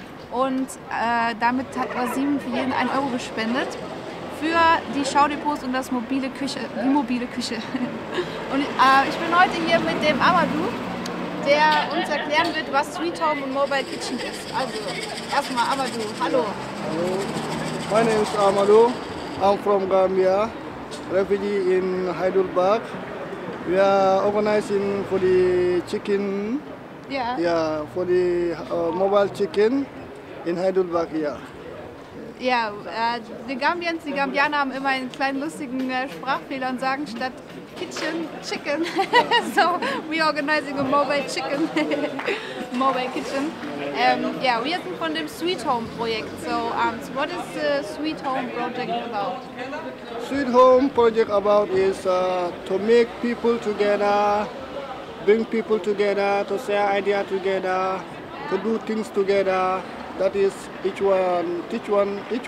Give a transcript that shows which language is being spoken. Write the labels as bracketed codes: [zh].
[de] Und damit hat Wasim für jeden 1 Euro gespendet für die Schaudepots und das mobile Küche, die mobile Küche. Und ich bin heute hier mit dem Amadou, der uns erklären wird, was Sweet Home und Mobile Kitchen ist. Also, erstmal Amadou, hallo. [en] Hallo, my name is Amadou, I'm from Gambia, refugee in Heidelberg. We are organizing for the chicken, yeah, yeah, for the mobile chicken in Heidelberg, yeah. [de] Ja, die Gambians, die Gambianer haben immer einen kleinen lustigen Sprachfehler und sagen statt Kitchen, Chicken. [en] So, we are organizing a mobile chicken. Mobile Kitchen. [de] Ja, wir sind von dem Sweet Home Projekt. [en] So, what is the Sweet Home Project about? Sweet Home Project about is to make people together, bring people together, to share ideas together, to do things together. That is each one teach one.